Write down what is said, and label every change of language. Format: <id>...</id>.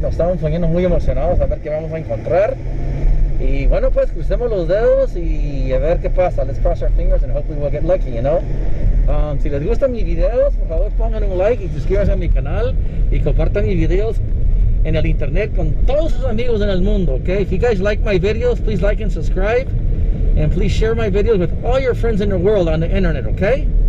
<es>Nos estamos poniendo muy emocionados a ver qué vamos a encontrar. Y bueno, pues, crucemos los dedos y a ver qué pasa.</es> <en>Let's cross our fingers and hopefully we'll get lucky, you know?</en> <es>Si les gustan mis videos, por favor, pongan un like y suscríbanse a mi canal y compartan mis videos en el internet con todos sus amigos en el mundo, okay?</es> <en>If you guys like my videos, please like and subscribe. And please share my videos with all your friends in the world on the internet, okay?</en>